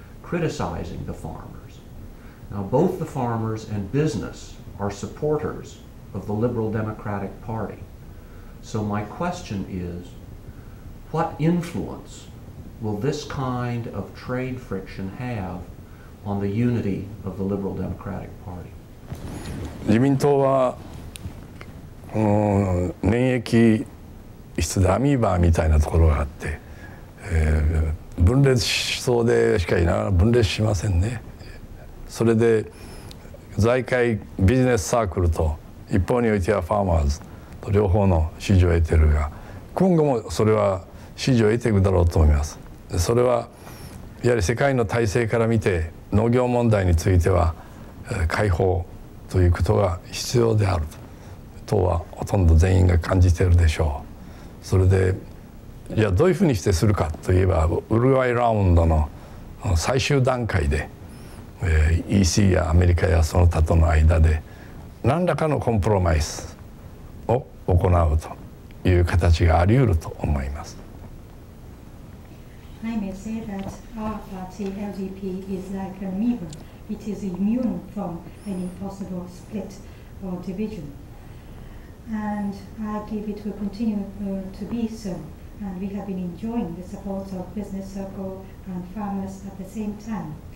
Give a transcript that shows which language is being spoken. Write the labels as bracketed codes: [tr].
[en] criticizing the farmers. Now, both the farmers and business are supporters of the Liberal Democratic Party. So my question is, what influence will this kind of trade friction have on the unity of the Liberal Democratic Party? [ja] 自民党はこの粘液質でアミーバーみたいなところがあって、分裂しそうでしかいながら分裂しませんね。それで財界ビジネスサークルと一方においてはファーマーズと両方の支持を得ているが、今後もそれは支持を得ていくだろうと思います。それはやはり世界の体制から見て農業問題については解放ということが必要であると党はほとんど全員が感じているでしょう。それでじゃあどういうふうにしてするかといえば、ウルグアイラウンドの最終段階で EC やアメリカやその他との間で何らかのコンプロマイスを行うという形があり得ると思います。 [en] I may say that our party, LDP, is like an amoeba. It is immune from any possible split or division. And I give it will continue to be so. And we have been enjoying the support of business circle and farmers at the same time.